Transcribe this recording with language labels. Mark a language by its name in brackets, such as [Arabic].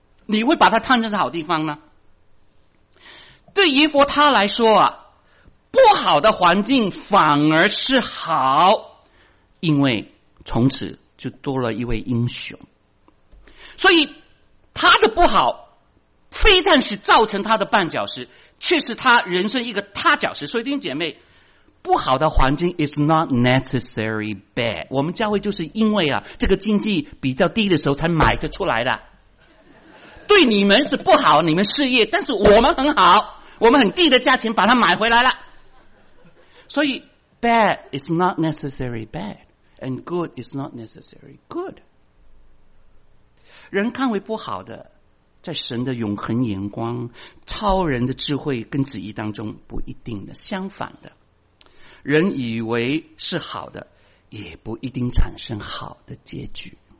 [Chinese] 你会把它看成是好地方呢？对耶和他来说啊，不好的环境反而是好，因为从此就多了一位英雄。所以他的不好非但是造成他的绊脚石，却是他人生一个踏脚石。所以弟兄姐妹，不好的环境 [English] is not necessary bad. [Chinese] 我们教会就是因为啊，这个经济比较低的时候才买得出来的。对你们是不好，你们事业，但是我们很好，我们很低的价钱把它买回来了。所以 [English] bad is not necessary bad, and good is not necessary good. [Chinese] 人看为不好的，在神的永恒眼光、超人的智慧跟旨意当中不一定的，相反的，人以为是好的，也不一定产生好的结局。